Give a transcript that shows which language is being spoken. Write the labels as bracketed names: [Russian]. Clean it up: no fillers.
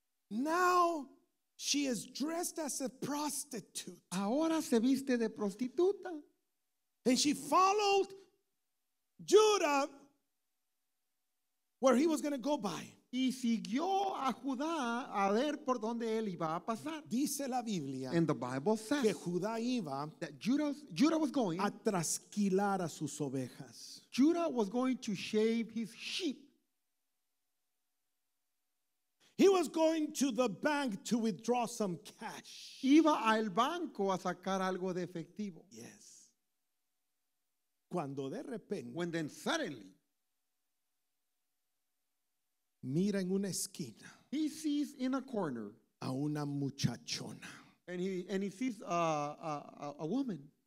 [English] Now she is dressed as a prostitute. [Spanish] Ahora se viste de prostituta. [English] And she followed Judah where he was going to go by. [Spanish] Y siguió a Judá a ver por donde él iba a pasar. Dice la Biblia. [English] And the Bible says. [Spanish] Que Judá iba. [English] That Judah was going. [Spanish] A trasquilar a sus ovejas. [English] Judah was going to shave his sheep. He was going to the bank to withdraw some cash. [Spanish] Iba al banco a sacar algo de efectivo. Yes. Cuando de repente. [English] When then suddenly. [Spanish] Mira en una esquina. [English] He sees in a corner [Spanish] a una muchachona. [English] And he sees a woman.